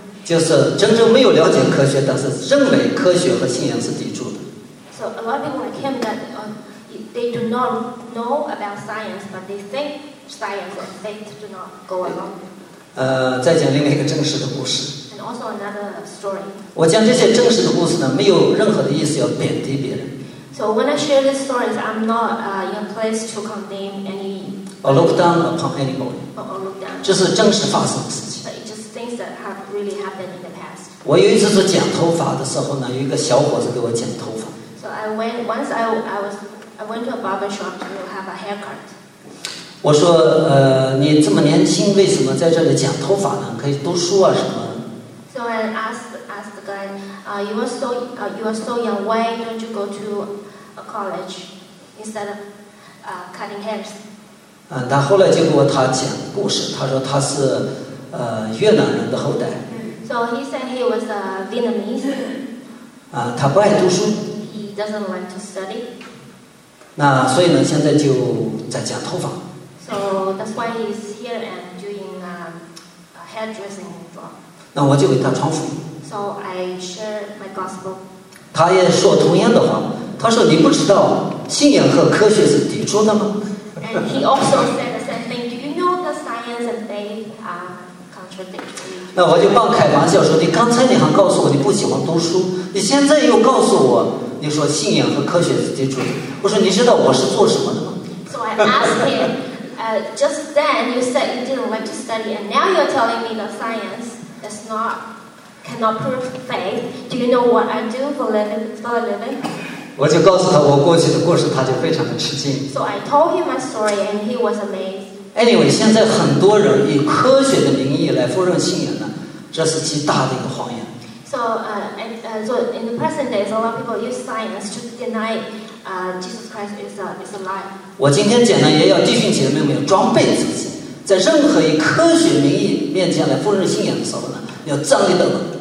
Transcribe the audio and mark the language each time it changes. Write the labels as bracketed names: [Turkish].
[Chinese] 就是真正没有了解科学，但是认为科学和信仰是抵触的。 [English] So a lot of people like him that they do not know about science, but they think science and faith do not go along. [Chinese] 再讲另外一个真实的故事。 [English] And also another story. [Chinese] 我讲这些真实的故事呢，没有任何的意思要贬低别人。 [English] So when I share these stories, I'm not in a place to condemn any. I look down upon anybody. [Chinese] 这是真实发生的事情。 [English] But it just things that have really happened in the past. [Chinese] 我有一次是剪头发的时候呢，有一个小伙子给我剪头发。 [English] So I went once. I went to a barber shop to have a haircut. [Chinese] 我说，你这么年轻，为什么在这里剪头发呢？可以读书啊什么？ [English] So I asked the guy, you are so young. Why don't you go to a college instead of cutting hairs? [Chinese] 他后来就给我他讲故事，他说他是越南人的后代。 [English] So he said he was a Vietnamese. [Chinese] 他不爱读书。 [English] He doesn't like to study. [Chinese] 那所以呢，现在就在剪头发。 [English] So that's why he's here and doing a hairdressing job. [Chinese] 那我就给他传福音。 [English] So I share my gospel. [Chinese] 他也说同样的话，他说你不知道信仰和科学是抵触的吗？ [English] And he also said the same thing. Do you know that science and faith are contradictory? [Chinese] 那我就半开玩笑说，你刚才你还告诉我你不喜欢读书，你现在又告诉我你说信仰和科学是抵触的。我说你知道我是做什么的吗 [English] ？So I asked him, just then you said you didn't like to study, and now you're telling me that science is not cannot prove faith. Do you know what I do for a living? [Chinese] 我就告诉他我过去的故事，他就非常的吃惊。 [English] So I told him my story, and he was amazed. [Chinese] Anyway, 现在很多人以科学的名义来否认信仰呢，这是极大的一个谎言。 [English] So, so in the present days, a lot of people use science to deny Jesus Christ is alive. [Chinese] 我今天讲呢，也要弟兄姐妹们装备自己，在任何以科学名义面前来奉认信仰的时候呢，要站立得稳。